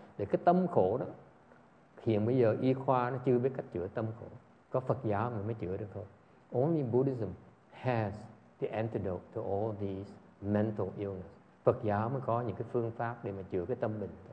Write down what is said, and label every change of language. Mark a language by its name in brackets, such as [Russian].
[Vietnamese] Để cái tâm khổ đó, hiện bây giờ y khoa nó chưa biết cách chữa tâm khổ. Có Phật giáo mà mới chữa được thôi. [English] Only Buddhism has the antidote to all these mental illness. [Vietnamese] Phật giáo mới có những cái phương pháp để mà chữa cái tâm mình.